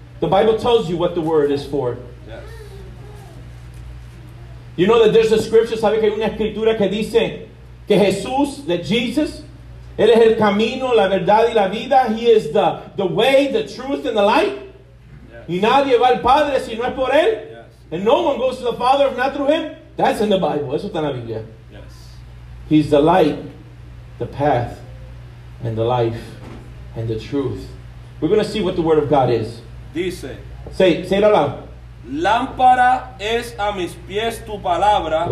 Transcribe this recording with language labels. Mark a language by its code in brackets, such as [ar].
[en] The Bible tells you what the word is for. Yes. You know that there's a scripture, [es] sabe que hay una escritura que dice que Jesús, [en] that Jesus, [es] él es el camino, la verdad y la vida. [en] He is the way, the truth, and the light. Yes. [es] Y nadie va al Padre si no es por él. [en] And no one goes to the Father if not through him. That's in the Bible. [es] Eso está en la Biblia. [en] Yes. He's the light, the path, and the life, and the truth. We're going to see what the word of God is. [es] Dice. [en] Say it aloud. [es] Lámpara es a mis pies tu palabra.